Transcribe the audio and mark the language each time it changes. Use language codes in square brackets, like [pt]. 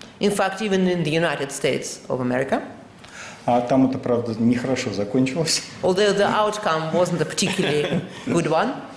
[en] In fact, even in the United States of America. [ru] А там это, правда, нехорошо закончилось. [en] Although the outcome wasn't a particularly good one.